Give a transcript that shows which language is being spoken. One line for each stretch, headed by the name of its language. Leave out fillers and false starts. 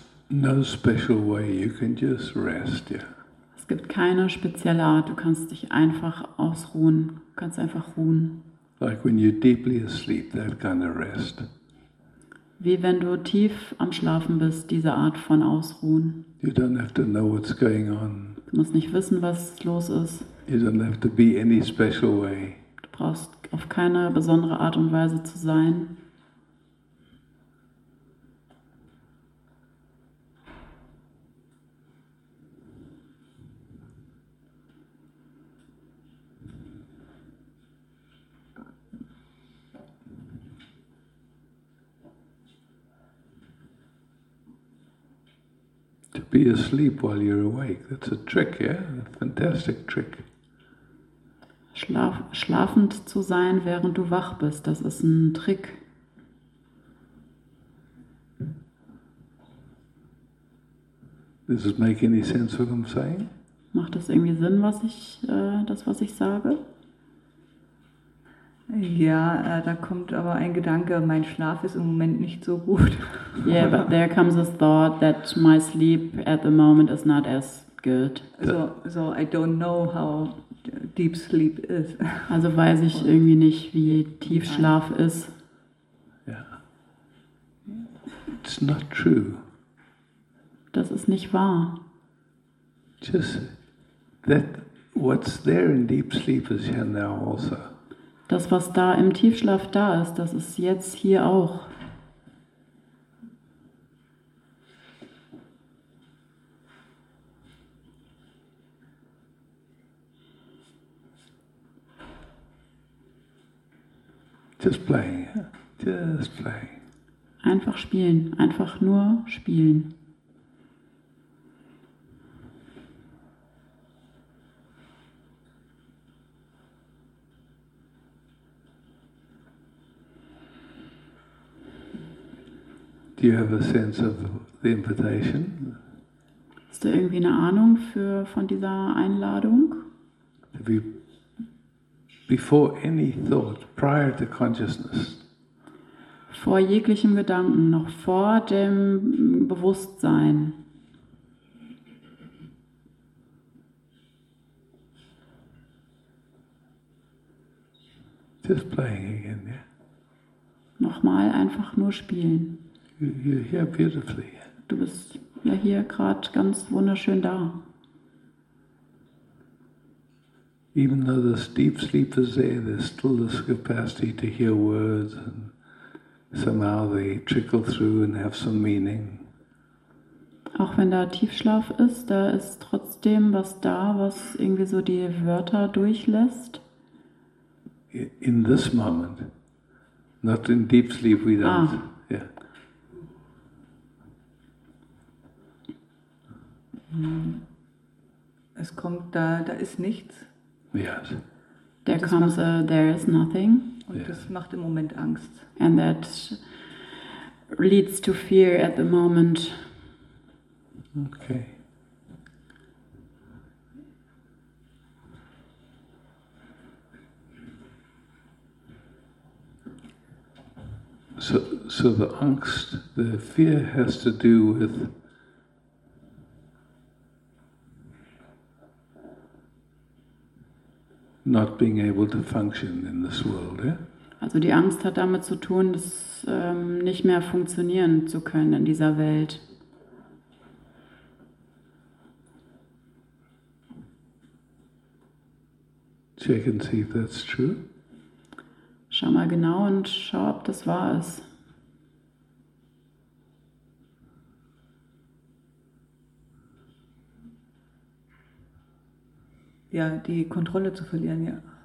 English: No special way, you can just rest, yeah.
German: Es gibt keine spezielle Art, du kannst dich einfach ausruhen, du kannst einfach ruhen.
English: Like when you're deeply asleep, that kind of rest.
German: Wie wenn du tief am Schlafen bist, diese Art von Ausruhen.
English: You don't have to know what's going on.
German: Du musst nicht wissen, was los ist.
English: You don't have to be any special way.
German: Du brauchst auf keine besondere Art und Weise zu sein.
English: be asleep while you're awake. That's a trick, yeah? A fantastic trick.
German: Schlafend zu sein, während du wach bist, das ist ein Trick.
English: Does it make any sense what I'm saying?
German: Macht das irgendwie Sinn, was ich sage? Ja, da kommt aber ein Gedanke, mein Schlaf ist im Moment nicht so gut.
English: Yeah, but there comes a thought that my sleep at the moment is not as good. So I don't know how deep sleep is.
German: Also weiß ich irgendwie nicht, wie tief Schlaf ist.
English: Yeah. It's not true.
German: Das ist nicht wahr.
English: Just that what's there in deep sleep is here now also.
German: Das, was da im Tiefschlaf da ist, das ist jetzt hier auch.
English: Just playing. Just playing.
German: Einfach spielen. Einfach nur spielen.
English: Do you have a sense of the invitation?
German: Hast du irgendwie eine Ahnung von dieser Einladung?
English: Before any thought, prior to consciousness.
German: Vor jeglichem Gedanken, noch vor dem Bewusstsein.
English: Just playing again, yeah?
German: Nochmal einfach nur spielen.
English: You're here beautifully.
German: Du bist ja hier gerade ganz wunderschön da.
English: Even though this deep sleep is there, there's still this capacity to hear words and somehow they trickle through and have some meaning.
German: Auch wenn da Tiefschlaf ist, da ist trotzdem was da, was irgendwie so die Wörter durchlässt.
English: In this moment, not in deep sleep, we don't.
German: Es kommt da ist nichts.
English: Yes. There comes a there is nothing.
German: Und yes. Das macht im Moment Angst.
English: And that leads to fear at the moment. Okay. So the angst, the fear has to do with not being able to function in this world, yeah?
German: Also die Angst hat damit zu tun, das nicht mehr funktionieren zu können in dieser Welt.
English: Check and see if that's true.
German: Schau mal genau und schau, ob das wahr ist. Ja, die Kontrolle zu verlieren, ja.